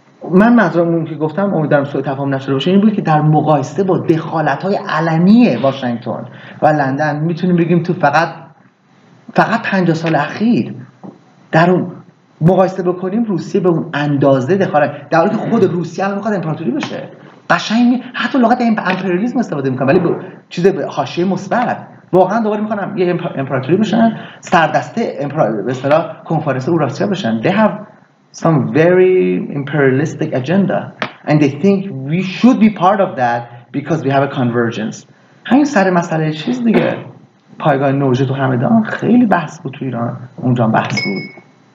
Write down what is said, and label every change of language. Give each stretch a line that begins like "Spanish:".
Persian: من منظورم اون که گفتم، امیدوارم سوء تفاهم نشده باشه، این بود که در مقایسه با دخالت‌های علنی واشنگتن و لندن میتونیم بگیم تو فقط 50 سال اخیر در اون مقایسه بکنیم روسیه به اون اندازه دخالت، در حالی که خود روسیه الان می‌خواد امپراتوری بشه. قشنگ حتی لغت امپریالیسم استفاده می‌کنه، ولی چیز به حاشیه مثبت، واقعا دوباره می‌خوام یه امپراتوری بشن، سردسته به اصطلاح کنفرانس اوراسیا بشن.
English: They have some very imperialistic agenda and they think we should be part of that because we have a convergence.
Persian: همین سر مسئله چیز دیگه، پایگاه نوژه تو همدان خیلی بحث بود، تو ایران اونجا بحث بود.